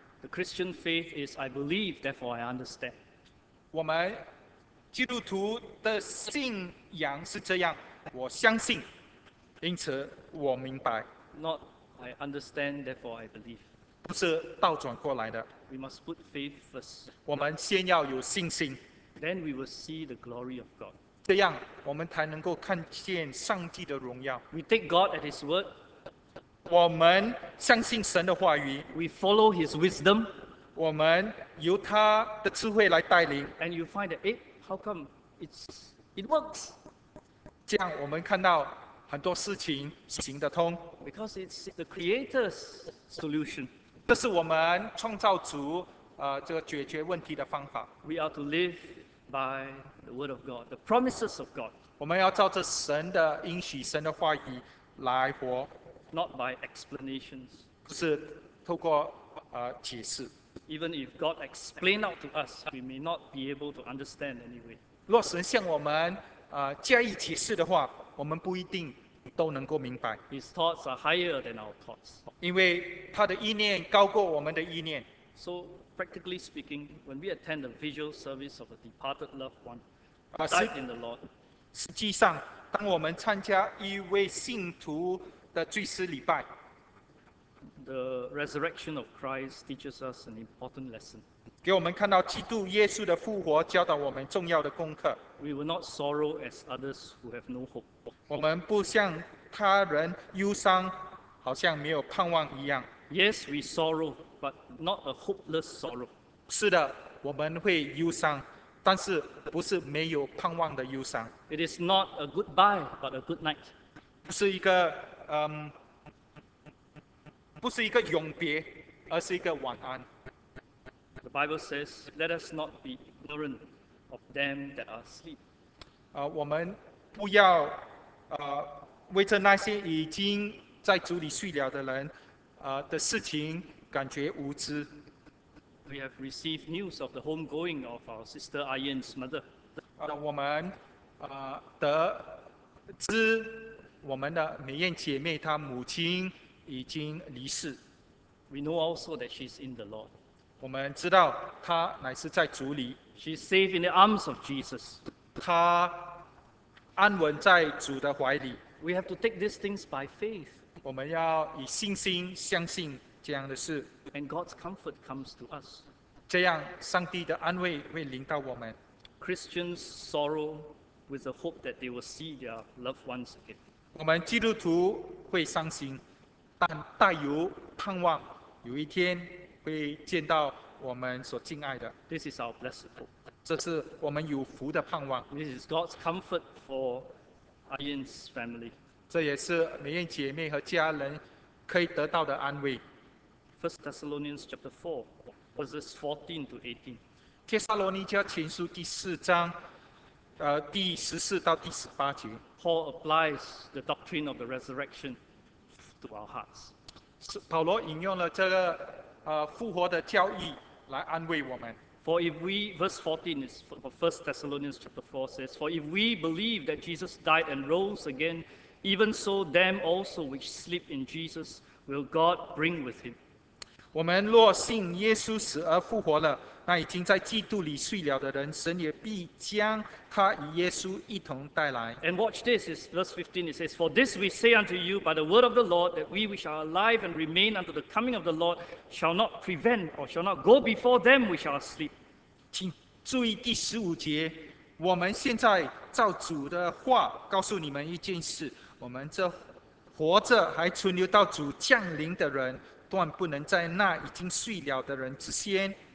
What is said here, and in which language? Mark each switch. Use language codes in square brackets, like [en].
[en] The Christian faith is I believe, therefore I understand. [zh] 我们基督徒的信仰是这样，我相信，因此我明白。 [en] Not I understand, therefore I believe. [zh] 不是倒转过来的。 [en] We must put faith first. [zh] 我们先要有信心。 [en] Then we will see the glory of God. [zh] 这样我们才能够看见上帝的荣耀。 [en] We take God at His word. [zh] 我们相信神的话语。 [en] We follow His wisdom. [zh] 我们由他的智慧来带领。 [en] And you find that, how come it works? [zh] 这样我们看到很多事情行得通。 [en] Because it's the Creator's solution. [zh] 这是我们创造主这个解决问题的方法。 [en] We are to live by the word of God, the promises of God. [zh] 我们要照着神的应许、神的话语来活。 [en] Not by explanations. [zh] 不是透过解释。 [en] Even if God explained out to us, we may not be able to understand anyway. [zh] 若神向我们加以解释的话，我们不一定。都能够明白。 [en] His thoughts are higher than our thoughts. [zh] 因为他的意念高过我们的意念。 [en] So practically speaking, when we attend the visual service of a departed loved one, died in the Lord. [zh] 实际上，当我们参加一位信徒的追思礼拜 [en] the resurrection of Christ teaches us an important lesson. [zh] 给我们看到基督耶稣的复活教导我们重要的功课。 [en] We will not sorrow as others who have no hope. [zh] 我们不像他人忧伤，好像没有盼望一样。 [en] Yes, we sorrow, but not a hopeless sorrow. [zh] 是的，我们会忧伤，但是不是没有盼望的忧伤。 [en] It is not a goodbye, but a good night. [zh] 不是一个永别，而是一个晚安。 [en] The Bible says, "Let us not be ignorant of them that are asleep." [zh] 我们不要为着那些已经在主里睡了的人的事情感觉无知。 [en] We have received news of the homegoing of our sister Ayan's mother. [zh] 我们得知我们的美艳姐妹她母亲已经离世。 [en] We know also that she's in the Lord. [zh] 我们知道她乃是在主里。 [en] She's safe in the arms of Jesus. [zh] 她安稳在主的怀里。 [en] We have to take these things by faith. [zh] 我们要以信心相信这样的事。 [en] And God's comfort comes to us. [zh] 这样上帝的安慰会临到我们。 [en] Christians sorrow with the hope that they will see their loved ones again. [zh] 我们基督徒会伤心，但带有盼望，有一天会见到我们所敬爱的。 [en] This is our blessed hope. [zh] 这是我们有福的盼望。 [en] This is God's comfort for Ayan's family. [zh] 这也是美艳姐妹和家人可以得到的安慰。 [en] First Thessalonians chapter 4, verses 14 to 18. [zh] 帖撒罗尼迦前书第四章，第十四到第十八节。 [en] Paul applies the doctrine of the resurrection to our hearts. [zh] 保罗引用了这个复活的教义来安慰我们。 [en] For if we, verse 14 is for First Thessalonians chapter 4 says, for if we believe that Jesus died and rose again, even so them also which sleep in Jesus will God bring with him. [zh] 我们若信耶稣死而复活了，那已经在基督里睡了的人，神也必将他与耶稣一同带来。 [en] And watch this, is verse 15. It says, "For this we say unto you by the word of the Lord, that we which are alive and remain unto the coming of the Lord shall not prevent or shall not go before them which are asleep." [zh] 请注意第十五节，我们现在照主的话告诉你们一件事：我们这活着还存留到主降临的人，断不能在那已经睡了的人之先。